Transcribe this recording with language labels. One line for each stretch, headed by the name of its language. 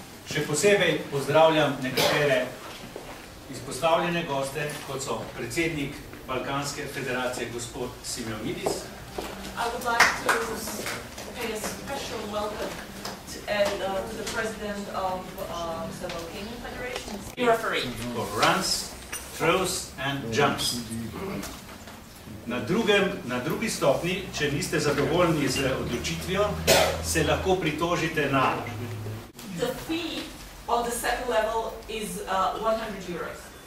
Slovenian: Še posebej pozdravljam nekatere izpostavljene goste, kot so predsednik Balkanske federacije gospod Simeonidis.
English: I would like to pay a special welcome to the president of the Balkanian Federation, the referee. For runs, throws and jumps.
Slovenian: Na drugi stopni, če niste zadovoljni z odločitvijo, se lahko pritožite na...
English: The fee on the second level is 100 euros.